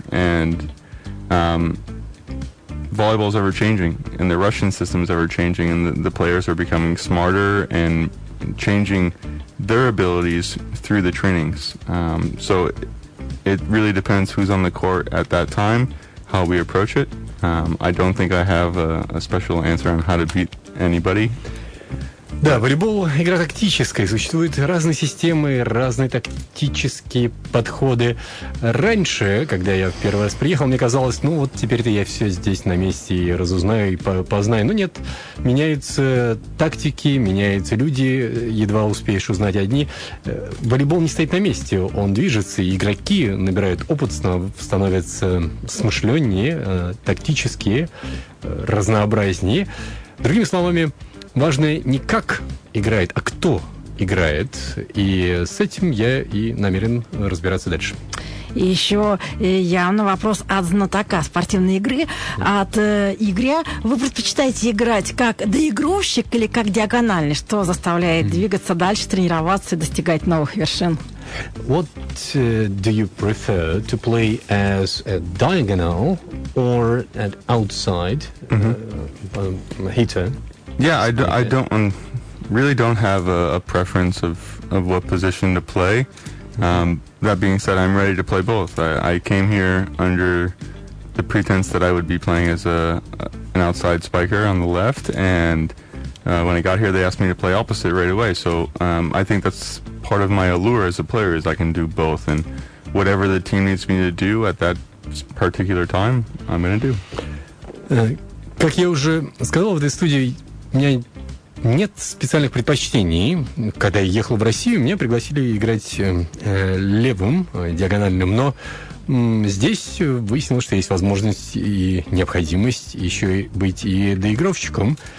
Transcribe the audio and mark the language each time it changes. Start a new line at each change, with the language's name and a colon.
English: And volleyball is ever changing, and the Russian system is ever changing, and the players are becoming smarter and changing their abilities through the trainings. So it really depends who's on the court at that time, how we approach it. I don't think I have a special answer on how to beat anybody?
Russian: Да, волейбол – игра тактическая. Существуют разные системы, разные тактические подходы. Раньше, когда я в первый раз приехал, мне казалось, ну вот теперь-то я все здесь на месте и разузнаю, и познаю. Но нет, меняются тактики, меняются люди, едва успеешь узнать одни. Волейбол не стоит на месте, он движется, и игроки набирают опыт, становятся смышленнее, тактические, разнообразнее. Другими словами, важно не как играет, а кто играет. И с этим я и намерен разбираться дальше. И еще явно вопрос от знатока спортивной игры, от Игоря. Вы предпочитаете играть как доигровщик или как диагональный? Что заставляет двигаться дальше, тренироваться и достигать новых вершин?
English: What do you prefer, to play as a diagonal or an outside hitter? Yeah, I don't have a preference of what position to play. That being said, I'm ready to play both. I came here under the pretense that I would be playing as an outside spiker on the left, and when I got here, they asked me to play opposite right away. So I think that's part of my allure as a player, is I can do both, and whatever the team needs me to do at that particular time, I'm going to do.
Russian: Как я уже сказал, в этой студии у меня нет специальных предпочтений. Когда я ехал в Россию, меня пригласили играть левым, диагональным. Но здесь выяснилось, что есть возможность и необходимость еще и быть и доигровщиком.